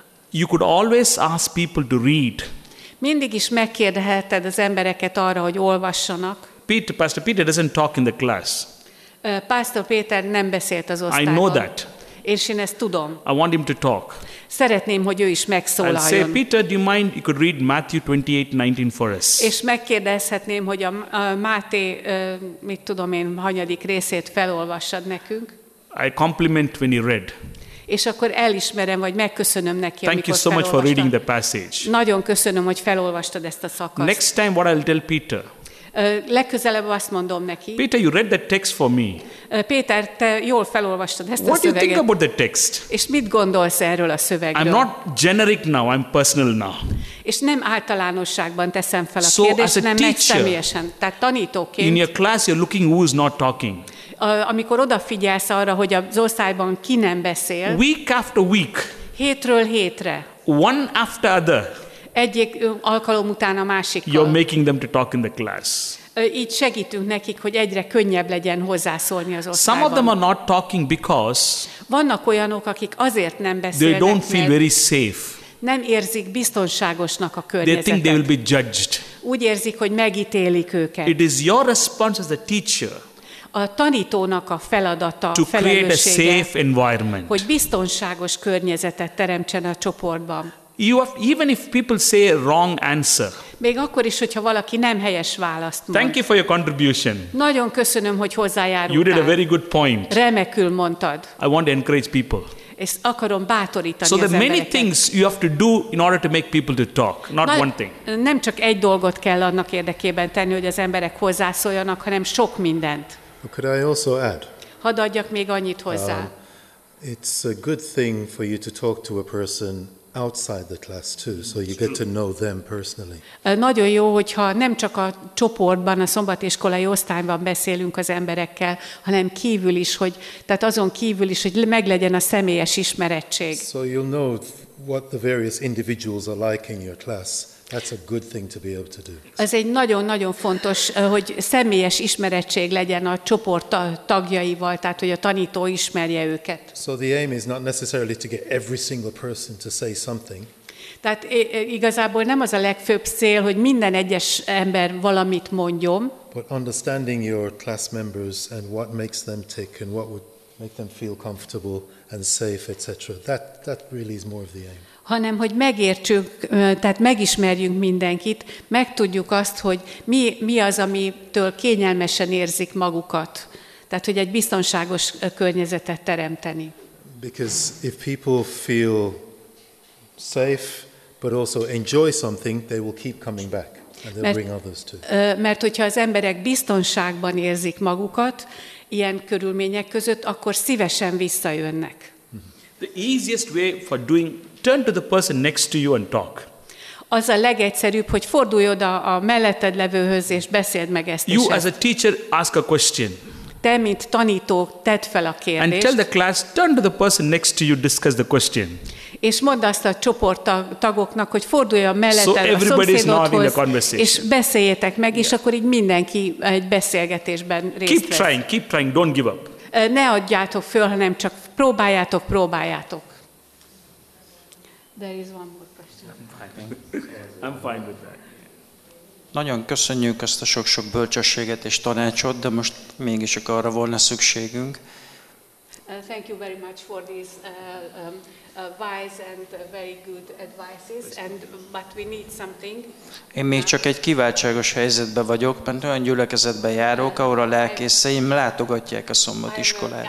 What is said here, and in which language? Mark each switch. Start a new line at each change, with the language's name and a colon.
English: You could always ask people to read.
Hungarian: Mindig is megkérdeheted az embereket arra, hogy olvassanak.
English: Pastor Peter doesn't talk in the class.
Hungarian: Pastor Peter nem beszélt az osztályban.
English: I know that.
Hungarian: És én ezt tudom.
English: I want him to talk.
Hungarian: Szeretném, hogy ő is megszólaljon.
English: And say, Peter, do you mind you could read Matthew 28:19 for us?
Hungarian: És megkérdezhetném, hogy a Máté, mit tudom én, hanyadik részét felolvassad nekünk.
English: I compliment when he read.
Hungarian: És akkor elismerem, vagy megköszönöm neki,
English: Thank
Hungarian: amikor
English: you so much for reading the passage.
Hungarian: Nagyon köszönöm, hogy felolvastad ezt a szakaszt.
English: Next time what I'll tell Peter.
Hungarian: Legközelebb azt mondom neki.
English: Peter, you read the text for me.
Hungarian: Péter, te jól felolvastad ezt
English: what
Hungarian: a szöveget.
English: What do you think about the text?
Hungarian: És mit gondolsz erről a szövegről?
English: I'm not generic now, I'm personal now.
Hungarian: És nem általánosságban teszem fel a kérdést, nem teacher, személyesen. Tehát tanítóként.
English: In your class you're looking who is not talking.
Hungarian: Amikor odafigyelsz arra, hogy az osztályban ki nem beszél.
English: Week after week.
Hungarian: Hétről hétre.
English: One after other.
Hungarian: Egyik alkalom után a másikkal.
English: You're making them to talk in the class.
Hungarian: Így segítünk nekik, hogy egyre könnyebb legyen hozzászólni az osztályban.
English: Some of them are not talking because
Hungarian: vannak olyanok, akik azért nem beszélnek,
English: they don't feel very safe.
Hungarian: Nem érzik biztonságosnak a környezetet.
English: They think they will be judged.
Hungarian: Úgy érzik, hogy megítélik őket.
English: It is your response as a teacher.
Hungarian: A tanítónak a feladata,
English: to create a safe environment.
Hungarian: Hogy biztonságos környezetet teremtsen a csoportban.
English: You have, even if people say a wrong answer.
Hungarian: Még akkor is, hogyha valaki nem helyes választ mond.
English: Thank you for your contribution.
Hungarian: Nagyon köszönöm, hogy hozzájárultál.
English: You did a very good point.
Hungarian: Remekül mondtad.
English: I want to encourage people.
Hungarian: És akarom bátorítani
English: so
Hungarian: az embereket.
English: So there are many things you have to do in order to make people to talk, not one thing.
Hungarian: Nem csak egy dolgot kell annak érdekében tenni, hogy az emberek hozzászóljanak, hanem sok mindent.
English: Could I also add?
Hungarian: Hadd adjak még annyit hozzá.
English: It's a good thing for you to talk to a person outside the class too, so you get to know them personally.
Hungarian: Nagyon jó, hogyha nem csak a csoportban, a szombatiskolai osztályban beszélünk az emberekkel, hanem kívül is, hogy tehát azon kívül is, hogy meglegyen a személyes ismerettség.
English: So you'll know what the various individuals are like in your class. That's a good thing to be able to do.
Hungarian: Ez egy nagyon-nagyon fontos, hogy személyes ismerettség legyen a csoport tagjaival, tehát hogy a tanító ismerje őket.
English: So the aim is not necessarily to get every single person to say something.
Hungarian: Tehát igazából nem az a legfőbb cél, hogy minden egyes ember valamit mondjon.
English: But understanding your class members and what makes them tick and what would make them feel comfortable and safe, etc. That really is more of the aim.
Hungarian: Hanem hogy megértsük, tehát megismerjünk mindenkit, megtudjuk azt, hogy mi az, amitől kényelmesen érzik magukat. Tehát, hogy egy biztonságos környezetet teremteni.
English: Because if people feel safe, but also enjoy something, they will keep coming back. And they'll bring others too.
Hungarian: Mert hogyha az emberek biztonságban érzik magukat, ilyen körülmények között, akkor szívesen visszajönnek.
English: The easiest way for doing turn to the person next to you and talk.
Hungarian: Az a legegyszerűbb, hogy fordulj oda a melletted levőhöz és beszéld meg ezt.
English: You as a teacher ask a question.
Hungarian: Te mint tanító tedd fel a kérdést.
English: And tell the class turn to the person next to you, discuss the question.
Hungarian: És mondd azt a csoport tagoknak, hogy fordulj a melletted a szomszédodhoz, és beszéljetek meg, és akkor így mindenki egy beszélgetésben részt vesz.
English: Keep trying, don't give up.
Hungarian: Ne adjátok föl, hanem csak próbáljátok.
English: There is one more question. I'm fine with that.
Hungarian: Nagyon köszönjük ezt a sok-sok bölcsességet és tanácsot, de most mégis csak arra volna szükségünk.
English: Thank you very much for these wise and very good advices, but we need something.
Hungarian: Én még csak egy kiváltságos helyzetben vagyok, mert olyan gyülekezetben járok, ahol a lelkészeim látogatják a szombatiskolát.